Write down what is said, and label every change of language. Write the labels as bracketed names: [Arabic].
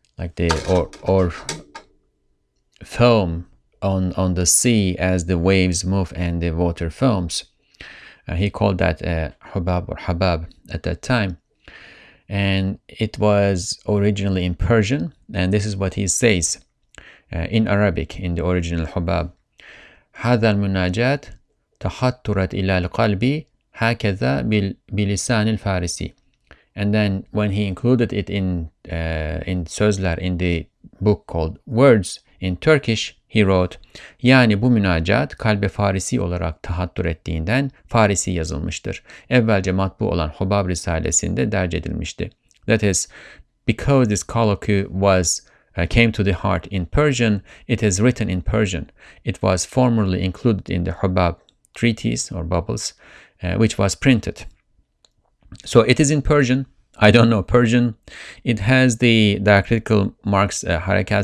[English] Like the or foam on the sea as the waves move and the water foams. He called that Hubab or Habab at that time. And it was originally in Persian, and this is what he says in Arabic in the original Hubab. [Arabic] هذا المناجات تحطرت إلى القلب هكذا بلسان الفارسي. [English] And then when he included it in Sözler, in the book called Words in Turkish, he wrote, [Turkish] Yani bu münacat kalbe Farisi olarak tahattür ettiğinden Farisi yazılmıştır. Evvelce matbu olan Hubab Risalesi'nde derc edilmişti. [English] That is, because this colloquy was came to the heart in Persian, it is written in Persian. It was formerly included in the Hubab treatise or bubbles, which was printed. So it is in Persian. I don't know Persian. It has the diacritical marks harakat.